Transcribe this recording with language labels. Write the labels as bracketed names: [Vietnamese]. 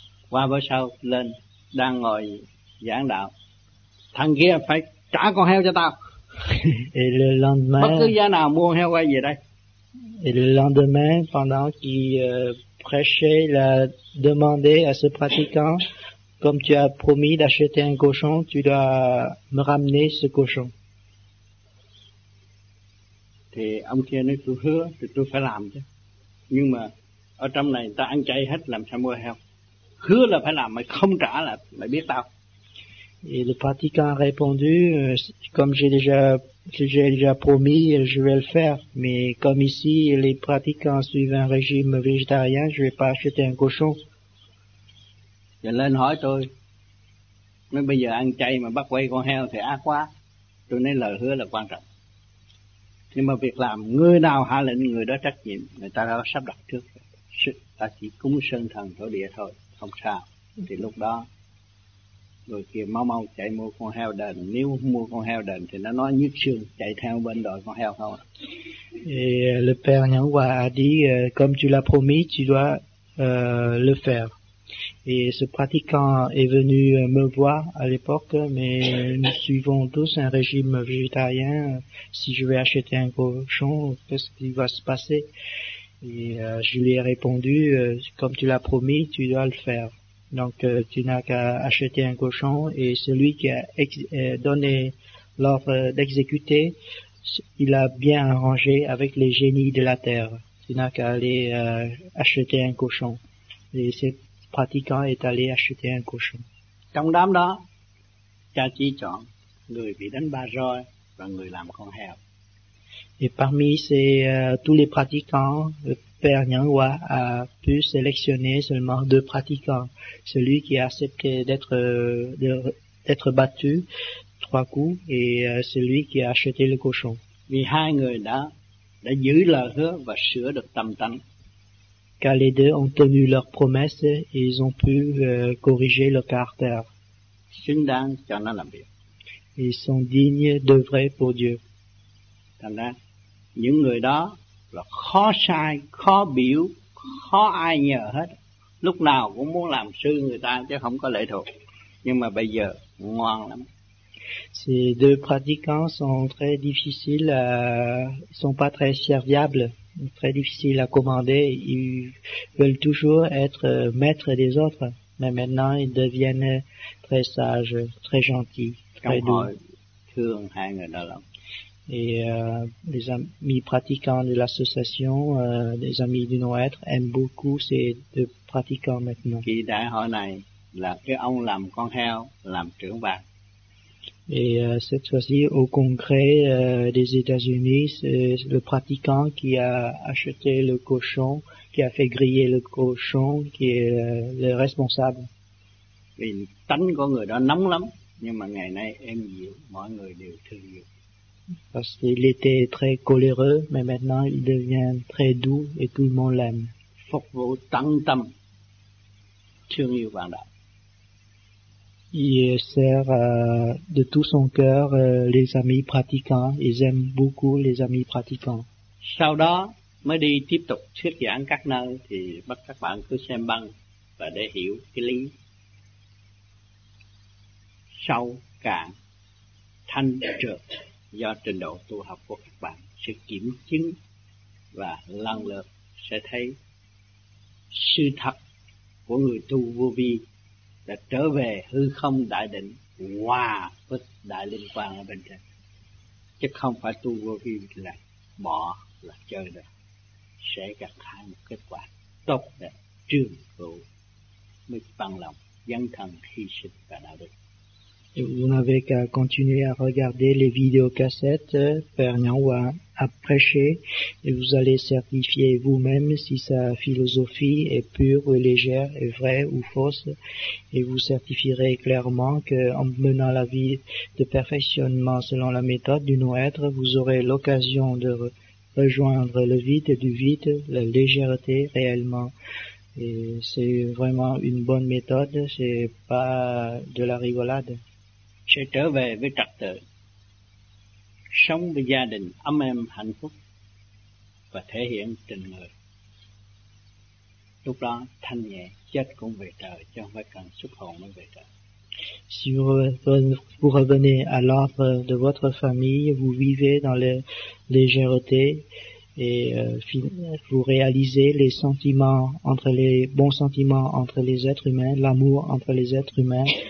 [Vietnamese] Qua bữa sau, lên, đang ngồi giảng đạo. Thằng kia phải trả con heo cho tao. [French] Et le lendemain. [Vietnamese] Bất cứ giá nào mua heo quay về đây. [French] Et le lendemain, pendant qu'il prêchait, il a demandé à ce pratiquant, comme tu as promis d'acheter un cochon, tu dois me ramener ce cochon. [Vietnamese] Thì ông kia nói tôi hứa thì tôi phải làm chứ. Nhưng mà ở trong này ta ăn chay hết làm sao mua heo? Hứa là phải làm, mày không trả là mày biết tao. [French] Et le pratiquant a répondu, comme j'ai déjà promis, je vais le faire. Mais comme ici, les pratiquants suivent un régime végétarien, je vais pas acheter un cochon. [Vietnamese] Giờ lên hỏi tôi, nói bây giờ ăn chay mà bắt quay con heo thì ác quá. Tôi nói lời hứa là quan trọng. Nhưng mà việc làm, người nào hạ lệnh người đó trách nhiệm, người ta đã sắp đặt trước. Ta chỉ cúng sơn thần thổ địa thôi, không sao. Thì lúc đó, người kia mau mau chạy mua con heo đền. Nếu mua con heo đền thì nó nói nhức xương chạy theo bên đội con heo không. [French] Et le Père Nhang Hòa a dit, comme tu l'as promis, tu dois le faire. Et ce pratiquant est venu me voir à l'époque, mais nous suivons tous un régime végétarien. Si je vais acheter un cochon, qu'est-ce qui va se passer? Et je lui ai répondu, comme tu l'as promis, tu dois le faire. Donc tu n'as qu'à acheter un cochon et celui qui a donné l'ordre d'exécuter, il a bien arrangé avec les génies de la terre. Tu n'as qu'à aller acheter un cochon. Et ce pratiquant est allé acheter un cochon. [Vietnamese] Trong đám đó, cha chỉ chọn người bị đánh ba roi và người làm con heo. [French] Et parmi ces tous les pratiquants, le Père Nhang Hòa a pu sélectionner seulement deux pratiquants. Celui qui a accepté d'être battu trois coups et celui qui a acheté le cochon. [Vietnamese] Vì hai người đã giữ lời hứa và sửa được tâm tánh. [French] Car les deux ont tenu leur promesse et ils ont pu corriger leur caractère. [Vietnamese] Xứng đáng cho nó làm việc. [French] Ils sont dignes d'œuvrer pour Dieu. [Vietnamese] Thành ra, những người đó là khó sai, khó biểu, khó ai nhờ hết. Lúc nào cũng muốn làm sư người ta chứ không có lệ thuộc. Nhưng mà bây giờ ngoan lắm. [French] Ces deux pratiquants sont très difficiles, sont pas très serviables, très difficiles à commander. Ils veulent toujours être maîtres des autres. Mais maintenant, ils deviennent très sages, très gentils, très [Vietnamese] trong [French] doux. [Vietnamese] Thương hai người đó lắm. [French] Et les amis pratiquants de l'association, les amis du non-être, aiment beaucoup ces deux pratiquants maintenant. [Vietnamese] Qui đại hội này là cái ông làm con heo, làm trưởng bàn. [French] Et cette fois-ci, au congrès des États-Unis, c'est le pratiquant qui a acheté le cochon, qui a fait griller le cochon, qui est le responsable. [Vietnamese] Vì tánh của người đó nóng lắm, nhưng mà ngày nay êm dịu, mọi người đều thương yêu. [French] Parce qu'il était très coléreux, mais maintenant il devient très doux et tout le monde l'aime. [Vietnamese] Phục vụ tận tâm, thương yêu bạn đạo. [French] Il sert de tout son cœur les amis pratiquants. Ils aiment beaucoup les amis pratiquants. [Vietnamese] Sau đó mới đi tiếp tục thuyết giảng các nơi thì bắt các bạn cứ xem băng và để hiểu cái lý sâu cạn thanh trượt. Do trình độ tu học của các bạn sẽ kiểm chứng và lần lượt sẽ thấy sự thật của người tu vô vi đã trở về hư không đại định hòa với đại linh quang ở bên trên, chứ không phải tu vô vi là bỏ là chơi được, sẽ gặp hai một kết quả tốt đẹp trường tồn mới bằng lòng dâng thần hy sinh và đạo đức. [French] Vous n'avez qu'à continuer à regarder les vidéocassettes Père Nyawa a prêché et vous allez certifier vous-même si sa philosophie est pure ou légère, est vraie ou fausse, et vous certifierez clairement qu'en menant la vie de perfectionnement selon la méthode du non-être, vous aurez l'occasion de rejoindre le vide et du vide, la légèreté réellement. Et c'est vraiment une bonne méthode, c'est pas de la rigolade. [Vietnamese] Sẽ trở về với trật tự, sống với gia đình ấm êm hạnh phúc và thể hiện tình người. Lúc đó thanh nhẹ, chết cũng về trời, chứ không phải cần xuất hồn mới về trời. [French] Si vous revenez à l'ordre de votre famille, vous vivez dans la légèreté et vous réalisez les sentiments entre les bons sentiments entre les êtres humains, l'amour entre les êtres humains.